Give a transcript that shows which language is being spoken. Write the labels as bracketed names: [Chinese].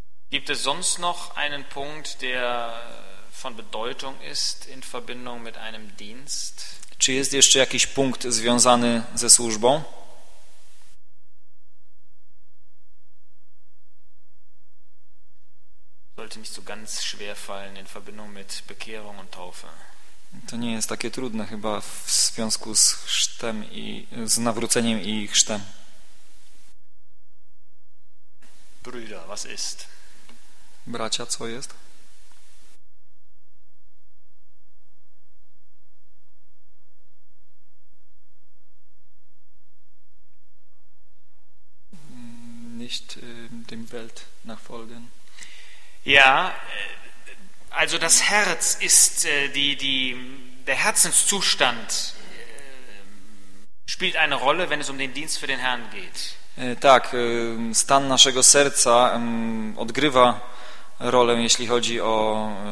[German] Gibt es sonst noch einen Punkt, der von Bedeutung ist in Verbindung mit einem Dienst? [Polish] Czy jest jeszcze jakiś punkt związany ze służbą? [German] Sollte nicht so ganz schwer fallen in Verbindung mit Bekehrung und Taufe. [Polish] To nie jest takie trudne chyba w związku z chrztem i z nawróceniem i chrztem. [German] Brüder, was ist? [Polish] Bracia, co jest? [German] Nicht dem Welt nachfolgen. Ja, also das Herz ist der Herzenszustand spielt eine Rolle, wenn es um den Dienst für den Herrn geht. [Polish] Tak, stan naszego serca odgrywa rolę, jeśli chodzi o